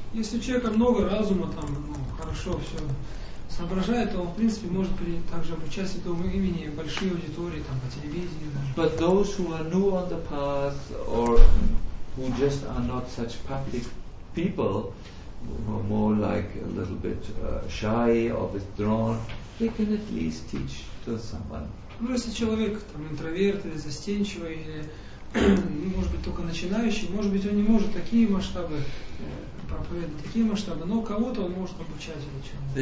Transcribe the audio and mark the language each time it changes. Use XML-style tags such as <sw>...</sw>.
<ru>Если у человека много разума там, ну хорошо все соображает, то он в принципе может также обучать святому имени большие аудитории там по телевидению.</ru> <en>But those who are new on the path or who just are not such public people, more like a little bit shy or withdrawn, they can at least teach to someone.</en> <ru>Ну, если человек там интроверт или застенчивый, или, может быть, только начинающий, может быть, он не может такие масштабы проповедовать, такие масштабы, но кого-то он может обучать или чему-то.</ru>